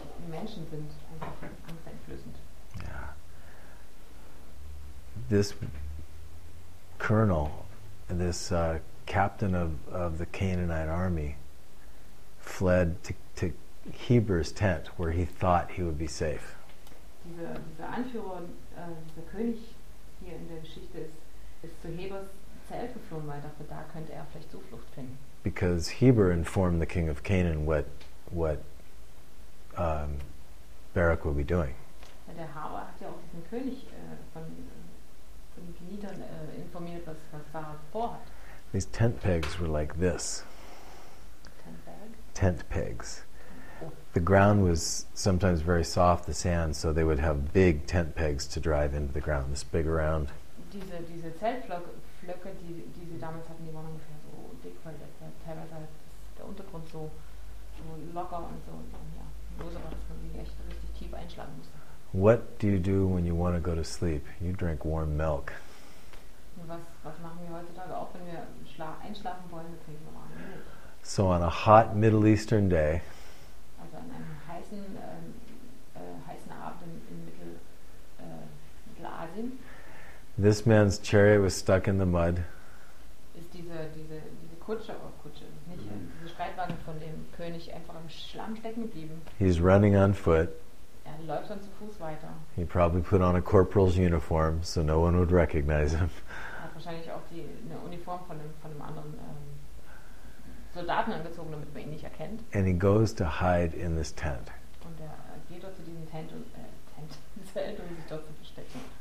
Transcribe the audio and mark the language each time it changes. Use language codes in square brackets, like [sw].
[de] Menschen sind einfach angsteinflößend. [en] Yeah. This colonel, captain of the Canaanite army, fled to Heber's tent, where he thought he would be safe. [de] Dieser Anführer, dieser König hier in der Geschichte ist zu Hebers Zelt geflohen, weil dachte, da könnte er vielleicht Zuflucht finden. [en] Because Heber informed the king of Canaan what Barak would be doing. [de] Der Haber hat ja auch diesen König von Kenitern informiert, was Barak vorhat. [en] These tent pegs were like this. tent pegs. The ground was sometimes very soft, the sand, so they would have big tent pegs to drive into the ground, this big round. [de] Diese Zeltflöcke, die sie damals hatten, die waren ungefähr so dick, weil teilweise halt der Untergrund so, so locker und so, und dann, ja, loser war, dass man sie echt richtig tief einschlagen musste. [en] What do you do when you want to go to sleep? You drink warm milk. [de] Was machen wir heutzutage auch, wenn wir einschlafen wollen, wir trinken warme Milch. [en] So on a hot Middle Eastern day, [de] also an einem heißen, heißen Abend in Mittelasien, [en] this man's chariot was stuck in the mud. [de] Ist diese Kutsche, oder Kutsche, nicht, diese Streitwagen von dem König einfach im Schlamm stecken geblieben. [en] He's running on foot. [de] Er läuft dann zu Fuß weiter. [en] He probably put on a corporal's uniform, so no one would recognize him. [de] Er hat wahrscheinlich auch eine Uniform von einem anderen Soldaten angezogen, damit man ihn nicht erkennt. [en] And he goes to hide in this tent. [de] Und er geht dort zu diesem Zelt, um sich dort zu verstecken.